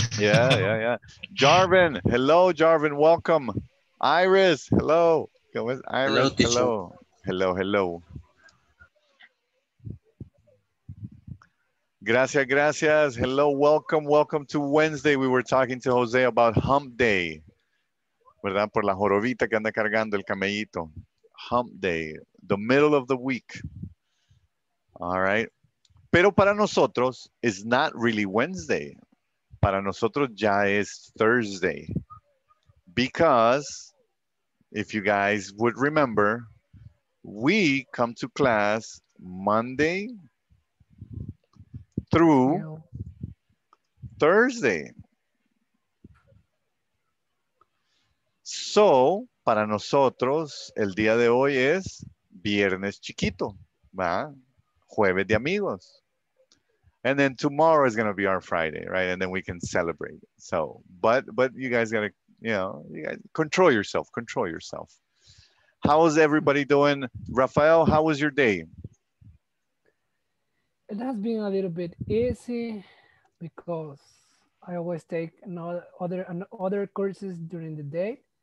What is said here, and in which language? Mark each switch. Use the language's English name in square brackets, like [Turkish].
[English] Yeah. Jarvin, hello, Jarvin, welcome. Iris, hello. [Spanish] ¿Cómo es Iris? [English] Hello, hello. [Spanish] Gracias. [English] Hello, welcome to Wednesday. We were talking to Jose about hump day. [Spanish] ¿Verdad? Por la jorobita que anda cargando el camellito. [English] Hump day, the middle of the week. All right. [Spanish] Pero para nosotros, [English] it's not really Wednesday. [Spanish] Para nosotros ya es Thursday. [English] Because, if you guys would remember, we come to class Monday through Thursday. So, [Spanish] para nosotros el día de hoy es viernes chiquito, ¿va? Jueves de amigos. [English] And then tomorrow is going to be our Friday, right? And then we can celebrate. So, but you guys got to, you know, you guys, control yourself, control yourself. How is everybody doing? Rafael, how was your day? It has been a little bit easy because I always take other courses during the day.